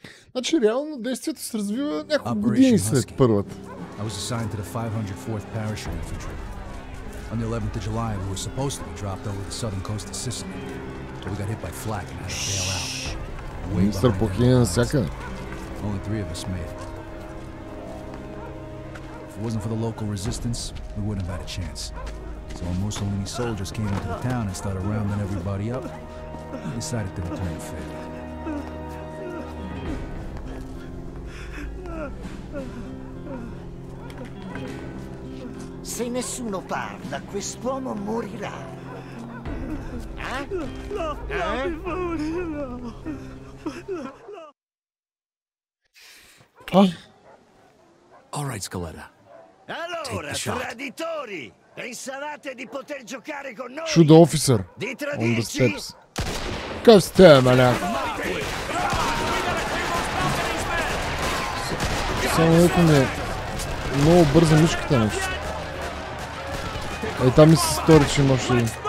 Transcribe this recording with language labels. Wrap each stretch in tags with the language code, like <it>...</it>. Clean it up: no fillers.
<bg>Значи реално действието се развива няколко години след първата.</bg> <en>I was assigned to the 504th Parachute Infantry. On the 11th of July, we were supposed to be dropped over the southern coast of Sicily. But we got hit by flak and had to bail out. Way behind the lines. Only three of us made it. If it wasn't for the local resistance, we wouldn't have had a chance. So when Mussolini's soldiers came into the town and started rounding everybody up, we decided they were playing fair.</en> <it>Se nessuno parla, quest'uomo morirà.</it> <en>All right, Scaletta.</en> <it>Allora, traditori, pensavate di poter giocare con noi?</it> <en>Should officer</en> <it>di tradirci?</it> <bg>Costume, само ето ми е много бърза мишката нещо. Ей, там ми се стори, че имаш един.</bg>